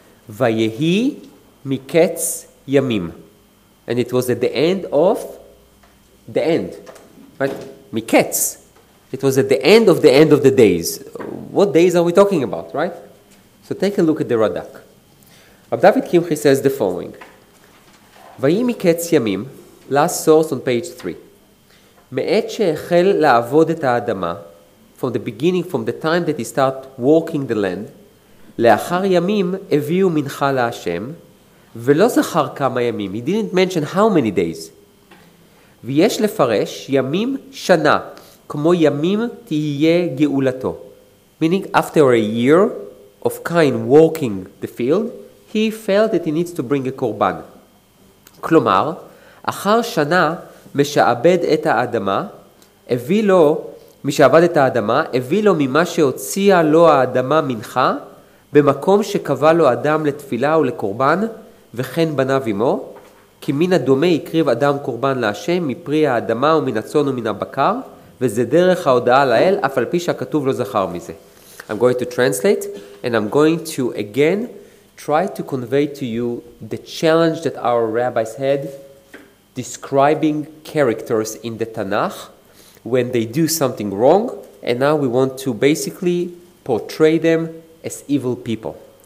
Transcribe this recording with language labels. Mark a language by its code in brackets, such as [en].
[en] Vayehi miketz yamim. And it was at the end of the end. Right? Miketz. It was at the end of the days. What days are we talking about, right? So take a look at the Radak. Rav David Kimchi says the following. Vayehi miketz yamim, last source on page 3. [he] מעת שהחל לעבוד את האדמה, [en] from the beginning, from the time that he started walking the land, [he] לאחר ימים הביאו מנחה להשם, ולא זכר כמה ימים. [en] He didn't mention how many days. [he] ויש לפרש ימים שנה, כמו ימים תהיה גאולתו. [en] Meaning, after a year of Cain walking the field, he felt that he needs to bring a korban. [he] כלומר, אחר שנה, משעבד את האדמה, הביא לו, מי שעבד את האדמה, הביא לו ממה שהוציאה לו האדמה מנחה, במקום שקבע לו אדם לתפילה ולקורבן, וכן בניו עמו, כי מן הדומה יקריב אדם קורבן להשם, מפרי האדמה ומן הצון ומן הבקר, וזה דרך ההודעה לאל, אף על פי שהכתוב לא זכר מזה. [en] I'm going to translate, and I'm going to again try to convey to you the challenge that our rabbis had describing characters in the Tanakh when they do something wrong, and now we want to basically portray them as evil people.